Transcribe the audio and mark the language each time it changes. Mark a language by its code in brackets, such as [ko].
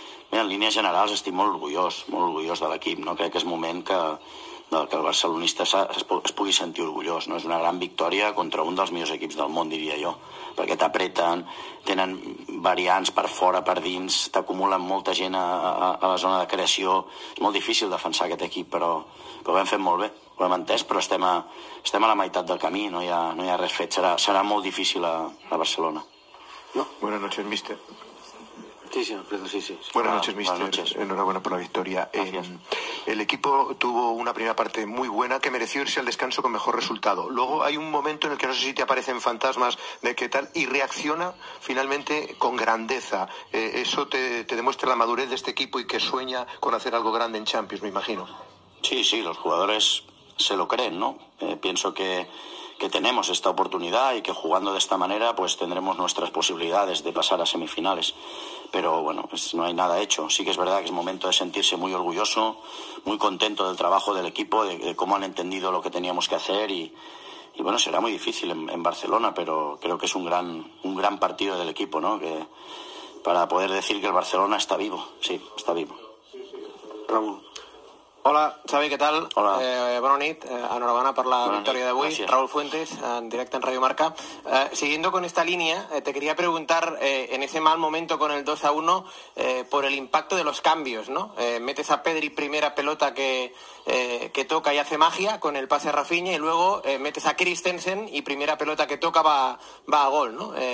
[ca] Bé, en línies generals estic molt orgullós de l'equip, no? Crec que és moment que el barcelonista es pugui sentir orgullós, no? És una gran victòria contra un dels millors equips del món, diria jo, perquè t'apreten, tenen variants per fora, per dins, t'acumulen molta gent a la zona de creació. És molt difícil defensar aquest equip, però ho hem fet molt bé, ho hem entès, però estem a la meitat del camí, no hi ha res fet, serà molt difícil a Barcelona. [es] No? Buenas noches, mister. Sí. Buenas noches, mister. Buenas noches. Enhorabuena por la victoria. El equipo tuvo una primera parte muy buena que mereció irse al descanso con mejor resultado. Luego hay un momento en el que no sé si te aparecen fantasmas de qué tal y reacciona finalmente con grandeza. Eso te demuestra la madurez de este equipo y que sueña con hacer algo grande en Champions, me imagino. Sí, los jugadores se lo creen, ¿no? Pienso que tenemos esta oportunidad y que jugando de esta manera pues tendremos nuestras posibilidades de pasar a semifinales. Pero bueno, pues no hay nada hecho. Sí que es verdad que es momento de sentirse muy orgulloso, muy contento del trabajo del equipo, de cómo han entendido lo que teníamos que hacer y bueno, será muy difícil en Barcelona, pero creo que es un gran partido del equipo, ¿no? Que para poder decir que el Barcelona está vivo. Sí, está vivo. [ca] Ramón. Hola, Xavi, què tal? Hola. Bona nit, enhorabona per la victòria d'avui. [es] Raúl Fuentes, en directe en Radio Marca. Siguiendo con esta línea, te quería preguntar, en ese mal momento con el 2-1, por el impacto de los cambios, ¿no? Metes a Pedri primera pelota que toca y hace magia con el pase a Rafinha, y luego metes a Christensen y primera pelota que toca va a gol, ¿no?